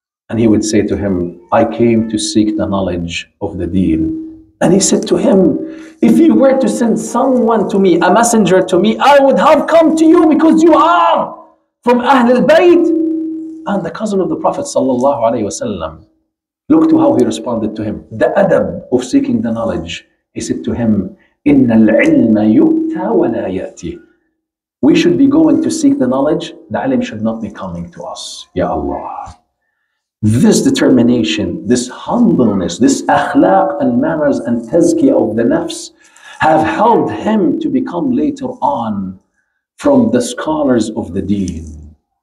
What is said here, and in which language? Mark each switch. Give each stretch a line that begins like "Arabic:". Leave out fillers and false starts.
English: And he would say to him, I came to seek the knowledge of the deen. And he said to him, if you were to send someone to me, a messenger to me, I would have come to you because you are from Ahlul Bayt and the cousin of the Prophet sallallahu alayhi wasallam. Look to how he responded to him. The adab of seeking the knowledge. He said to him,
Arabic: إِنَّ الْعِلْمَ يُؤْتَى وَلَا يَأْتِي.
English: We should be going to seek the knowledge. The ilm should not be coming to us. Ya Allah. This determination, this humbleness, this akhlaq and manners and tazkiyah of the nafs have helped him to become later on from the scholars of the deen.